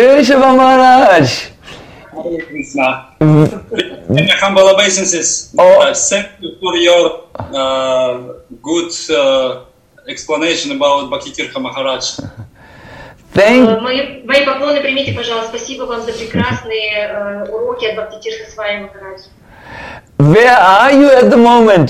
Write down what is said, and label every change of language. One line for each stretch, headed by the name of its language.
English: would you mind switching on the video camera, please? Ah! Keshava Maharaj! Hare Krishna. Mm-hmm. My humble obeisances. Oh. Thank you for your good explanation about Bhakti-tirtha Maharaj. Thank you.
Russian: Мои поклоны примите, пожалуйста. Спасибо вам за прекрасные уроки от Бхактитирха Свами Махарадж.
English: Where are you at the moment?